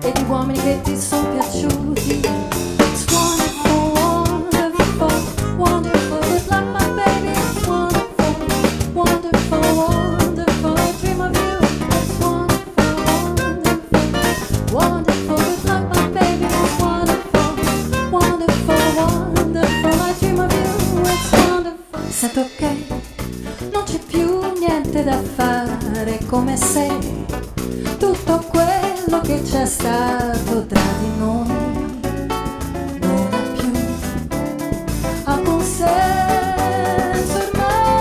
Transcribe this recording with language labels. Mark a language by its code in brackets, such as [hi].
[it] Uomini che ti sono piaciuti. [en] It's wonderful, wonderful, wonderful. Good luck, my baby. It's wonderful, wonderful, wonderful. Dream of you. It's wonderful, wonderful, wonderful. Good luck, my baby. It's wonderful, wonderful, wonderful. I dream of you. It's wonderful. [it] Sento che non c'è più niente da fare, come se tutto quello che c'è stato tra di noi non ha più alcun senso ormai.